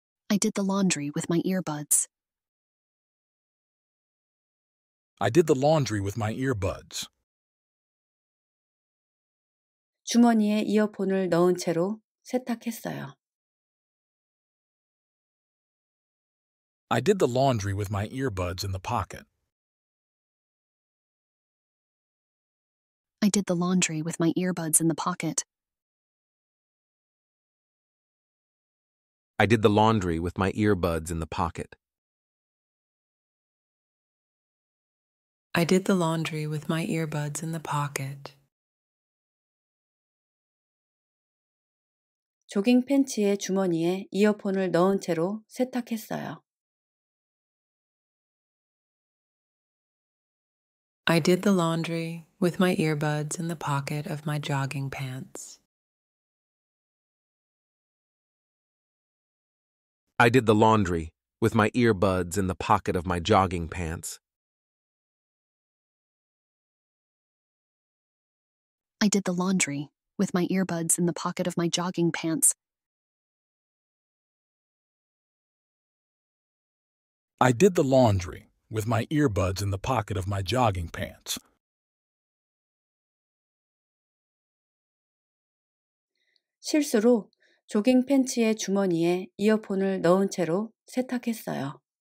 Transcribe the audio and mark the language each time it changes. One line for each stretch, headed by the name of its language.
English: I did the laundry with my earbuds. I did the laundry with my earbuds.
Korean: 주머니에 이어폰을 넣은 채로 세탁했어요.
English: I did the laundry with my earbuds in the pocket. I did the laundry with my earbuds in the pocket. I did the laundry with my earbuds in the pocket. I did the laundry with my earbuds in the pocket.
Korean: 조깅 팬츠의 주머니에 이어폰을 넣은 채로 세탁했어요.
English: I did the laundry with my earbuds in the pocket of my jogging pants. I did the laundry with my earbuds in the pocket of my jogging pants. I did the laundry with my earbuds in the pocket of my jogging pants. I did the laundry with my earbuds in the pocket of my jogging pants.
Korean: 실수로 조깅 팬츠의 주머니에 이어폰을 넣은 채로 세탁했어요.